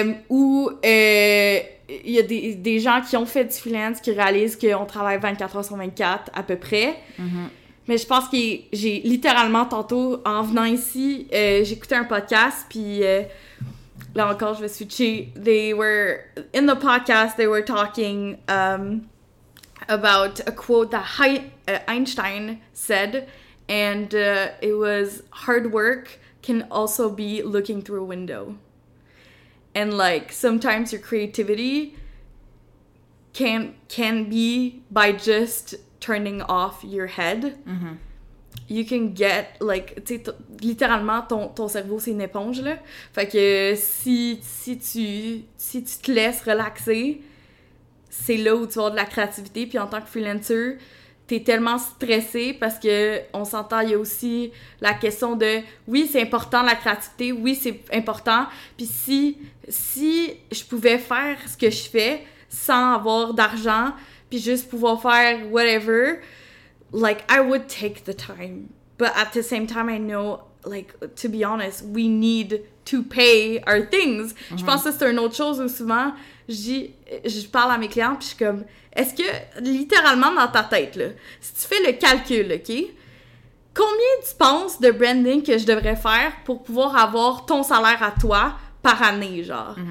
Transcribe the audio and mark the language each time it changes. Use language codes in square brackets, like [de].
[fr] Il y a des gens qui ont fait du freelance qui réalisent qu'on travaille 24 heures sur 24 à peu près. Mais je pense que j'ai littéralement tantôt, en venant ici, j'écoutais un podcast, puis là encore, je vais switcher. [en] They were in the podcast, they were talking about a quote that Einstein said, and it was, hard work can also be looking through a window. And like sometimes your creativity can be by just turning off your head. You can get like, [fr] tu sais, littéralement ton cerveau c'est une éponge là. Fait que si tu te laisses relaxer, c'est là où tu vas avoir de la créativité. Puis en tant que freelancer, t'es tellement stressé parce que on s'entend, il y a aussi la question de oui, c'est important la créativité, oui, c'est important. Puis si je pouvais faire ce que je fais sans avoir d'argent, puis juste pouvoir faire [en] whatever, like, I would take the time. But at the same time, I know, like, to be honest, we need to pay our things. [fr] Je pense que c'est une autre chose où souvent, je parle à mes clients, puis je suis comme, est-ce que, littéralement dans ta tête, là, si tu fais le calcul, OK, combien tu penses de branding que je devrais faire pour pouvoir avoir ton salaire à toi par année, genre.